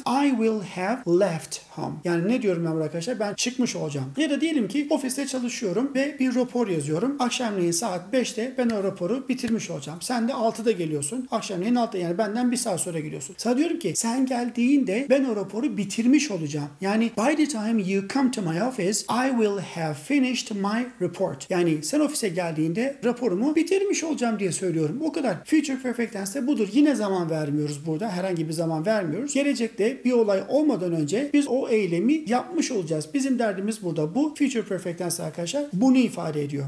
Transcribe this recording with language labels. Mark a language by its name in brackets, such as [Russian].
[English] I will have left home. [Turkish] Yani ne diyorum ben arkadaşlar? Ben çıkmış olacağım. Ya da diyelim ki ofiste çalışıyorum ve bir rapor yazıyorum. Akşamleyin saat 5'te ben o raporu bitirmiş olacağım. Sen de 6'da geliyorsun. Akşamleyin 6'da, yani benden bir saat sonra geliyorsun. Sana diyorum ki sen geldiğinde ben o raporu bitirmiş olacağım. [English] Yani by the time you come to my office, I will have finished my report. [Turkish] Yani sen ofise geldiğinde raporumu bitirmiş olacağım diye söylüyorum. O kadar. Future perfect tense budur. Yine zaman vermiyoruz burada. Herhangi bir zaman vermiyoruz. Gelecekte bir olay olmadan önce biz o eylemi yapmış olacağız. Bizim derdimiz burada. Bu future perfect tense arkadaşlar bunu ifade ediyor.